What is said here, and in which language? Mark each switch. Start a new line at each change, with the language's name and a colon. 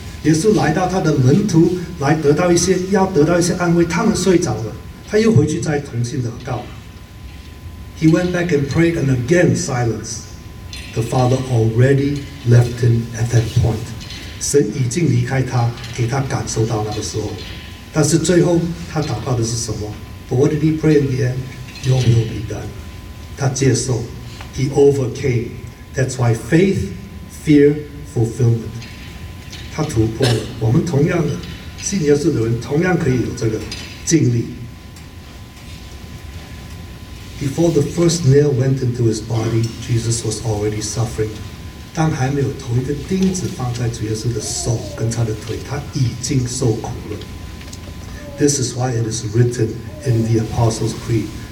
Chinese: 耶稣来到他的门徒来得到一些安慰。他们睡着了。他又回去再重新祷告。He
English: He went back and prayed, and again silence. The father already left him at that point.
Chinese: 神已经离开他，给他感受到那个时候。但是最后他祷告的是什么？
English: But what did he pray in the end? Your will be done.
Chinese: 他接受,
English: he overcame. That's why faith, fear, fulfillment.
Chinese: 他突破了。我们同样的, 信耶稣的人, 同样可以有这个经历。
English: Before the first nail went into his body, Jesus was already suffering.
Chinese: 当还没有头一个钉子放在主耶稣的手跟他的腿，他已经受苦了。
English: This is why it is written in the Apostles' Creed.